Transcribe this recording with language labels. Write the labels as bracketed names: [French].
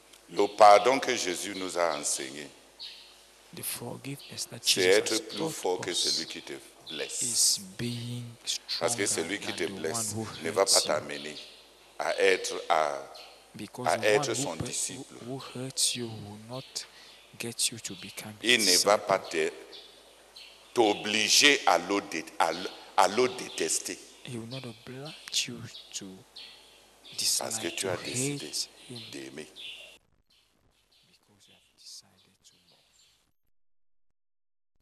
[French] Le pardon que Jésus nous a enseigné, [English] the forgiveness that [French] c'est être plus fort que celui qui te blesse. [English] Is being stronger. [French] Parce que celui qui te blesse ne va pas t'amener à être à être son disciple. [English] Who hurts you will not get you to become his disciple. [French] Il ne va pas t'obliger à le détester. [English] He will not oblige you to dislike [French] Parce que tu as décidé d'aimer. [English] Because you have decided to love.